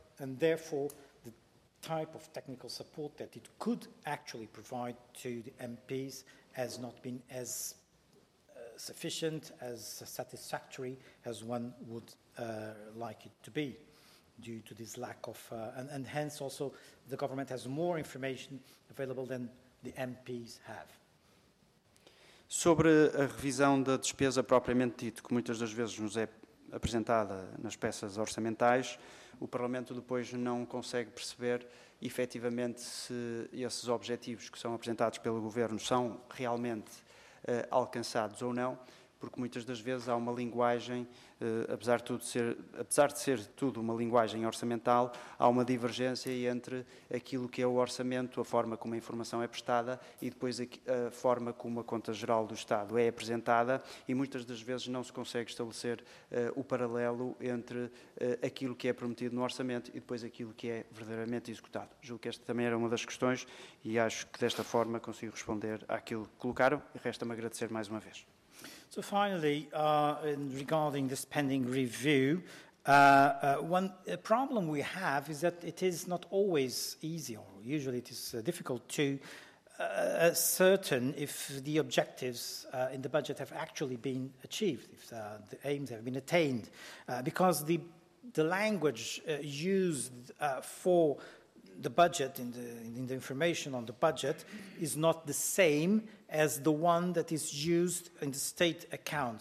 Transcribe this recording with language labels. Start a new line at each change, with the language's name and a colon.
English: And therefore, the type of technical support that it could actually provide to the MPs has not been as sufficient, as satisfactory as one would like it to be, due to this lack of, and hence also the government has more information available than the MPs have.
Portuguese: Sobre a revisão da despesa propriamente dito, que muitas das vezes nos é apresentada nas peças orçamentais, o Parlamento depois não consegue perceber efetivamente se esses objetivos que são apresentados pelo Governo são realmente alcançados ou não, porque muitas das vezes há uma linguagem, apesar de ser tudo uma linguagem orçamental, há uma divergência entre aquilo que é o orçamento, a forma como a informação é prestada e depois a forma como a conta geral do Estado é apresentada e muitas das vezes não se consegue estabelecer o paralelo entre aquilo que é prometido no orçamento e depois aquilo que é verdadeiramente executado. Julgo que esta também era uma das questões e acho que desta forma consigo responder àquilo que colocaram e resta-me agradecer mais uma vez.
English: So finally, regarding the spending review, one problem we have is that it is not always easy, or usually it is difficult to ascertain if the objectives in the budget have actually been achieved, if the aims have been attained, because the language used for the budget, in the information on the budget, is not the same as the one that is used in the state account.